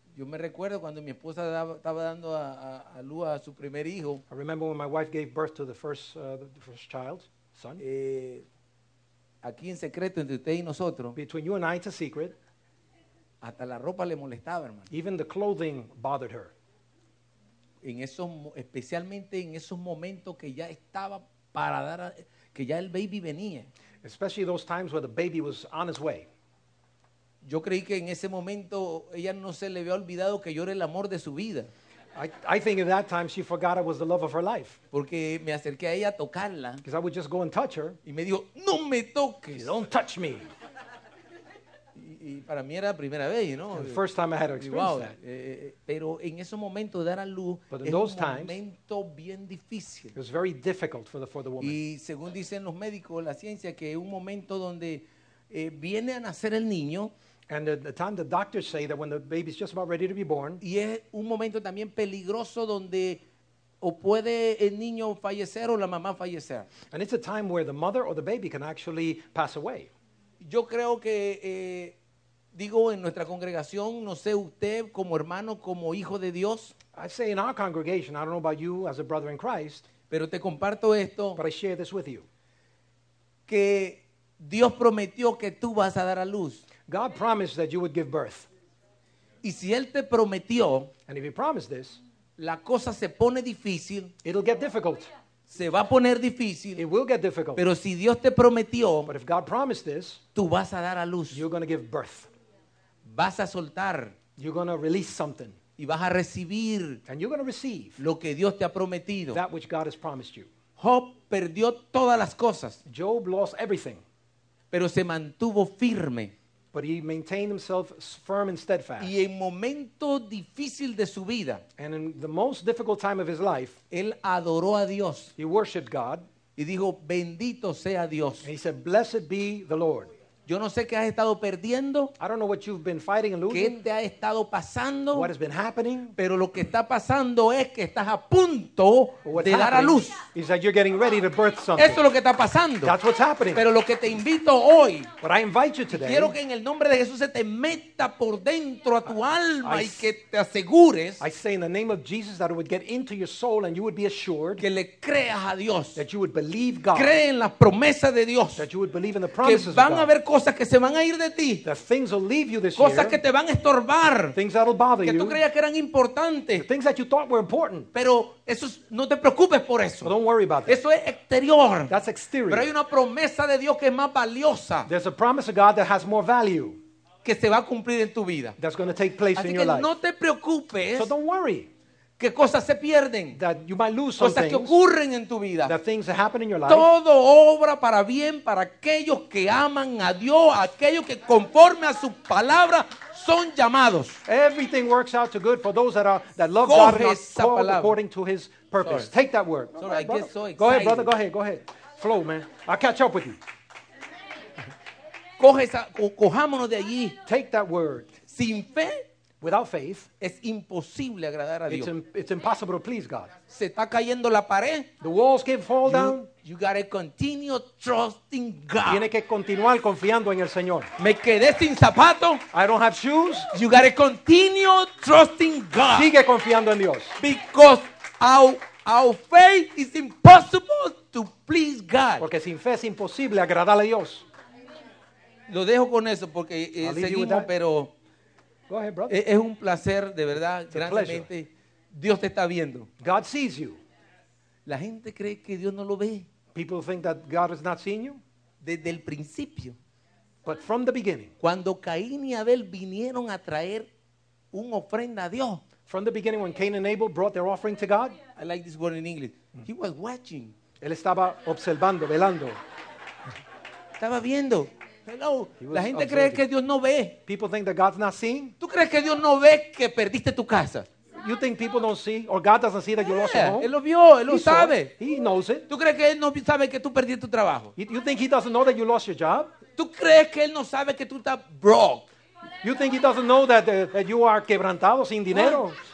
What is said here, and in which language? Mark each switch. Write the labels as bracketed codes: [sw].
[es] Yo me recuerdo cuando mi esposa estaba dando a luz a su primer hijo. [en] I remember when my wife gave birth to the first child, son. [es] Aquí en secreto entre usted y nosotros. [en] Between you and I, it's a secret. [es] Hasta la ropa le molestaba, hermano. [en] Even the clothing bothered her. [es] En esos, especialmente en esos momentos que ya estaba para dar a, que ya el baby venía. [en] Especially those times where the baby was on his way. [es] Yo creí que en ese momento ella no se le había olvidado que yo era el amor de su vida. [en] I think at that time she forgot I was the love of her life. [es] Porque me acerqué a ella a tocarla. [en] Because I would just go and touch her. [es] Y me dijo, no me toques. [en] You don't touch me. [es] Y para mí era la primera vez, ¿no? [en] The first time I had to experience wow. That. [es] Pero en ese momento de dar a luz es un momento bien difícil. [en] It was very difficult for the woman. [es] Y según dicen los médicos, la ciencia, que es un momento donde viene a nacer el niño. [en] And at the time the doctors say that when the baby's just about ready to be born. [es] Y es un momento también peligroso donde o puede el niño fallecer o la mamá fallecer. [en] And it's a time where the mother or the baby can actually pass away. [es] Yo creo que, digo, en nuestra congregación, no sé usted como hermano, como hijo de Dios. [en] I say in our congregation, I don't know about you as a brother in Christ. [es] Pero te comparto esto. [en] But I share this with you. [es] Que Dios prometió que tú vas a dar a luz. [en] God promised that you would give birth. [es] Y si Él te prometió. [en] And if He promised this. [es] La cosa se pone difícil. [en] It'll get difficult. [es] Se va a poner difícil. [en] It will get difficult. [es] Pero si Dios te prometió, [en] but if God promised this, [es] tú vas a dar a luz. [en] You're going to give birth. [es] Vas a soltar. [en] You're going to release something. [es] Y vas a recibir, [en] and you're going to receive, [es] lo que Dios te ha prometido. [en] That which God has promised you. [es] Job perdió todas las cosas. [en] Job lost everything. [es] Pero se mantuvo firme. [en] But he maintained himself firm and steadfast. [es] Y en momento difícil de su vida, [en] and in the most difficult time of his life, [es] él adoró a Dios. [en] He worshipped God. [es] Y dijo, bendito sea Dios. [en] And he said, blessed be the Lord. [es] Yo no sé qué has estado perdiendo. [en] I don't know what you've been fighting and losing. [es] ¿Qué te ha estado pasando? [en] What has been happening? [es] Pero lo que está pasando es que estás a punto de dar a luz. [en] Is that you're getting ready to birth something. [es] Eso es lo que está pasando. [en] That's what's happening. [es] Pero lo que te invito hoy. [en] But I invite you today. [es] Quiero que en el nombre de Jesús se te meta por dentro a tu alma y que te asegures. [en] I say in the name of Jesus that it would get into your soul and you would be assured. [es] Que le creas a Dios. [en] That you would believe God. [es] Cree en las promesas de Dios. [en] That you would believe in the promises of God. [es] Que van a ver cosas cosas que se van a ir de ti. [en] The things will leave you this [es] cosas [en] year. [es] Que te van a estorbar. [en] Things that will bother [es] que [en] you. [es] Que tú creías que eran importantes. [en] The things that you thought were important. [es] Pero eso es, no te preocupes por eso. [en] Don't worry about that. [es] Eso es exterior. [en] That's exterior. [es] Pero hay una promesa de Dios que es más valiosa. [en] There's a promise of God that has more value. [es] Que se va a cumplir en tu vida. [en] That's going to take place [es] así [en] in your life. [es] Así que no te preocupes. [en] So don't worry. [es] Que cosas se pierden. [en] That you might lose some [es] cosas [en] things, [es] que ocurren en tu vida. [en] That things that happen in your life. [es] Todo obra para bien para aquellos que aman a Dios, aquellos que conforme a su palabra son llamados. [en] Everything works out to good for those that are that love God and are called [es] palabra. [en] According to His purpose. Sorry. Take that word. Sorry, right, I get so excited. Go ahead, brother. Go ahead. Flow, man. I'll catch up with you. [es] Coge esa, cojámonos de allí. [en] Take that word. [es] Sin fe. [en] Without faith, [es] es imposible agradar a Dios. [en] It's impossible to please God. [es] Se está cayendo la pared. [en] The walls can fall down. You got to continue trusting God. [es] Tiene que continuar confiando en el Señor. Me quedé sin zapato. [en] I don't have shoes. You got to continue trusting God. [es] Sigue confiando en Dios. [en] Because our faith is impossible to please God. [es] Porque sin fe es imposible agradar a Dios. Lo dejo con eso porque seguimos, pero... [en] Go ahead, brother. [es] Es un placer, de verdad, grandemente. Dios te está viendo. [en] God sees you. [es] La gente cree que Dios no lo ve. [en] People think that God is not seeing you. [es] Desde el principio. [en] But from the beginning. [es] Cuando Caín y Abel vinieron a traer una ofrenda a Dios. [en] From the beginning when Cain and Abel brought their offering to God. I like this word in English. He was watching. [es] Él estaba observando, velando. Estaba viendo. Hello. La gente cree que Dios no ve. [en] People think that God's not seeing. [es] ¿Tú crees que Dios no ve que perdiste tu casa? [en] You think people don't see or God doesn't see that you lost your home? [es] Él lo vio, él lo sabe. [en] He knows it. [es] ¿Tú crees que él no sabe que tú perdiste tu trabajo? [en] You think he doesn't know that you lost your job? [es] ¿Tú crees que él no sabe que tú estás broke? [en] You think he doesn't know that you are [es] quebrantado sin dinero?